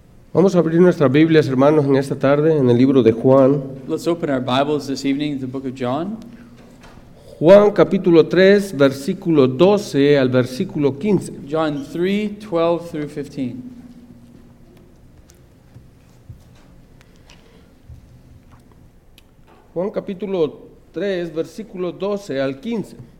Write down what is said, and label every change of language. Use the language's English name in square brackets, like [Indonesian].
[Spanish] Vamos a abrir nuestras Biblias, hermanos, en esta tarde, en el libro de Juan. [English] Let's open our Bibles this evening, the book of John. [Spanish] Juan, capítulo 3, versículo 12 al versículo 15. [English] John 3, 12 through 15. [Spanish] Juan, capítulo 3, versículo 12 al 15.